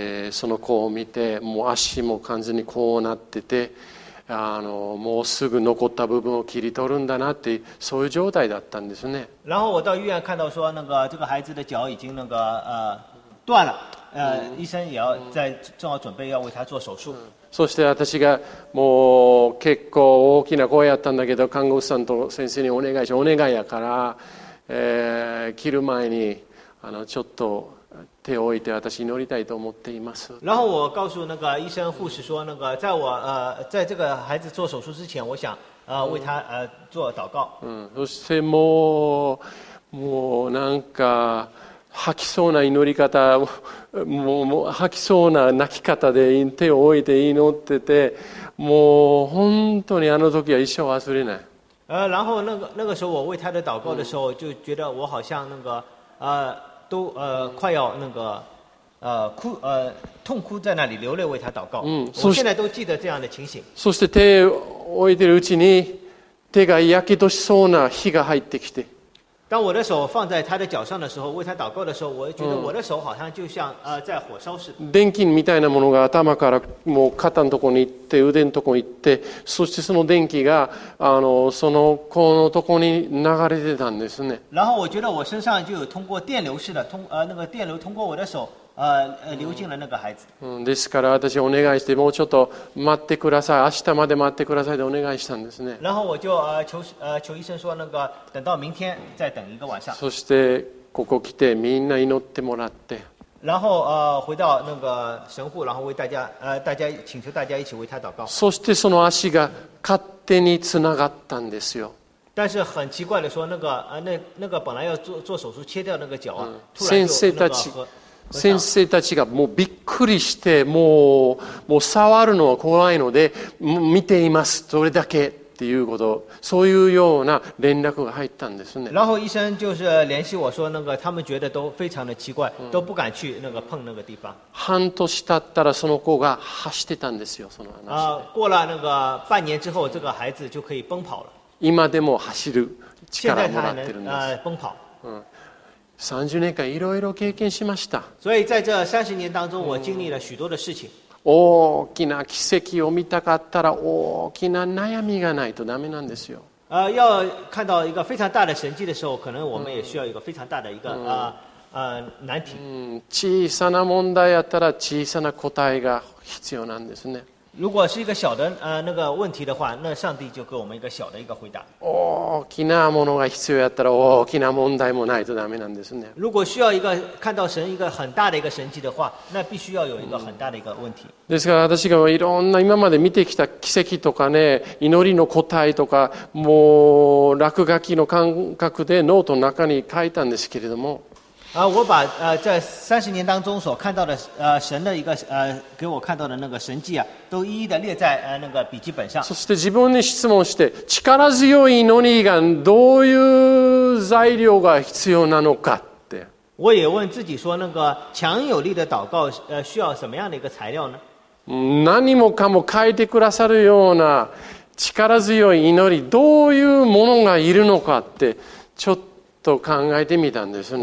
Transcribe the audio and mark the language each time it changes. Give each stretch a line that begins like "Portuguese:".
Japanese: その子を見て、もう足も完全にこうなってて、もうすぐ残った部分を切り取るんだなって、そういう状態だったんですね。
Chinese: 然后我到医院看到说，那个这个孩子的脚已经那个断了，医生也要在正好准备要为他做手术。
Japanese: そして私がもう結構大きな声やったんだけど、看護師さんと先生にお願いし、お願いやから、切る前にちょっと。手を置いて私祈りたいと思っています。
Chinese: 然后我告诉那个医生护士说，那个在我在这个孩子做手术之前，我想为他做祷告。
Japanese: そしてもうなんか吐きそうな祈り方、もう吐きそうな泣き方で手を置いて祈ってて、もう本当にあの時は一生忘れない。
Chinese: 然后那个时候我为他的祷告的时候，就觉得我好像那个都快要那个哭痛哭在那里流泪为他祷告。我现在都记得这样的情形。
Japanese: そして手を置いてるうちに手がやけどしそうな火が入ってきて。
Chinese: 当我的手放在他的脚上的时候，为他祷告的时候，我觉得我的手好像就像在火烧似的。
Japanese: 電気みたいなものが頭からもう肩のところに行って腕のところに行って、そしてその電気がその子のところに流れてたんですね。
Chinese: 然后我觉得我身上就有通过电流似的，那个电流通过我的手。流进了那个孩子。
Japanese: ですから私お願いしてもうちょっと待ってください、明日まで待ってくださいでお願いしたんですね。
Chinese: 然后我就求医生说那个等到明天再等一个晚上。
Japanese: そしてここ来てみんな祈ってもらって。
Chinese: 然后回到那个神户，然后为大家大家请求大家一起为他祷告。
Japanese: そしてその足が勝手につながったんですよ。
Chinese: 但是很奇怪的说那个本来要做手术切掉那个脚啊，
Japanese: 先生たち。先生たちがもうびっくりしてもう触るのは怖いので見ていますそれだけっていうこと、そういうような連絡が入ったんですね。
Chinese: 然后医生就是联系我说那个他们觉得都非常的奇怪，都不敢去那个碰那个地方。
Japanese: 半年経ったらその子が走ってたんですよ、その話。
Chinese: 过了那个半年之后，这个孩子就可以奔跑了。
Japanese: 今でも走る力をもらってるんです。
Chinese: 现在他还能奔跑。
Japanese: 30年間いろいろ経験しました。
Chinese: 所以在这30年当中，我经历了许多的事情。
Japanese: 大きな奇跡を見たかったら大きな悩みがないとダメなんですよ。
Chinese: 要看到一个非常大的神迹的时候，可能我们也需要一个非常大的一个难题。
Japanese: 小さな問題やったら小さな答えが必要なんですね。
Chinese: 如果是一个小的那个问题的话，那上帝就给我们一个小的一个回答。
Japanese: 大きなものが必要やったら大きな問題もないとダメなんですね。
Chinese: 如果需要一个看到神一个很大的一个神迹的话，那必须要有一个很大的一个问题。
Japanese: ですから私がいろんな今まで見てきた奇跡とかね、祈りの答えとか、もう落書きの感覚でノートの中に書いたんですけれども。
Chinese: 我把这三十年当中所看到的神的一个给我看到的那个神迹啊，都一一的列在那个笔记本上。
Japanese: そして自分に質問して、力強い祈りがどういう材料が必要なのかって。
Chinese: 我也问自己说，那个强有力的祷告需要什么样的一个材料呢？
Japanese: 何もかも書いてくださるような力強い祈り、どういうものがいるのかってちょっと。と考えてみたんですね。